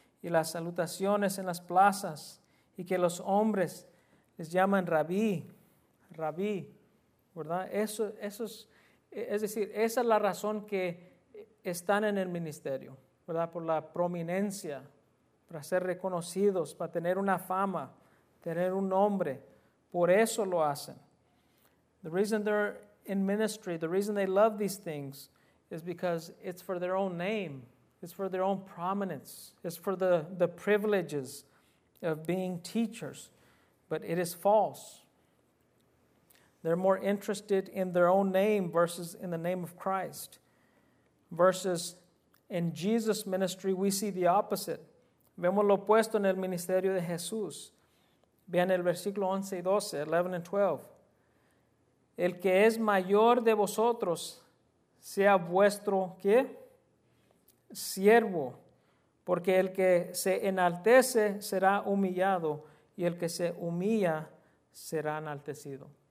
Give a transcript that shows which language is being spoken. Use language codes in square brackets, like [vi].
[es] Y las salutaciones en las plazas. Y que los hombres les llaman rabí. Rabí. ¿Verdad? Eso es decir, esa es la razón que están en el ministerio, ¿verdad? Por la prominencia, para ser reconocidos, para tener una fama, tener un nombre. Por eso lo hacen. [en] The reason they're in ministry, the reason they love these things is because it's for their own name, it's for their own prominence, it's for the privileges of being teachers. But it is false. They're more interested in their own name versus in the name of Christ. Versus in Jesus' ministry, we see the opposite. [es] Vemos lo opuesto en el ministerio de Jesús. Vean el versículo 11 y 12, [en] 11 and 12. [es] El que es mayor de vosotros sea vuestro, ¿qué? Siervo. Porque el que se enaltece será humillado, y el que se humilla será enaltecido.